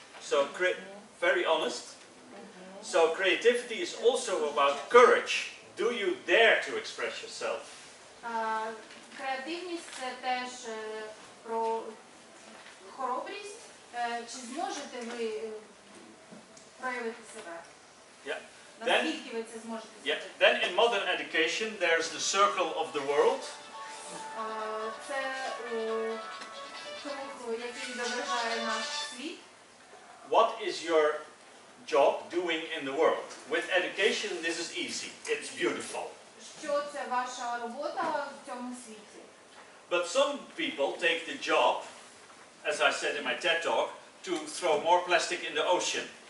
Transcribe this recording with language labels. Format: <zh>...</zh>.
<en>So, very honest. So, creativity is also about courage. Do you dare to express yourself?</en> <uk>Креативність – це теж про хоробрість. Чи зможете ви проявити себе?</uk> <en>Yeah. Then, yeah. Then in modern education there's the circle of the world.</en> <uk>Це круг, який відображає наш світ.</uk> <en>What is your job doing in the world? With education this is easy. It's beautiful.</en> <uk>Що це ваша робота в цьому світі?</uk> <en>But some people take the job, as I said in my TED talk, to throw more plastic in the ocean.</en>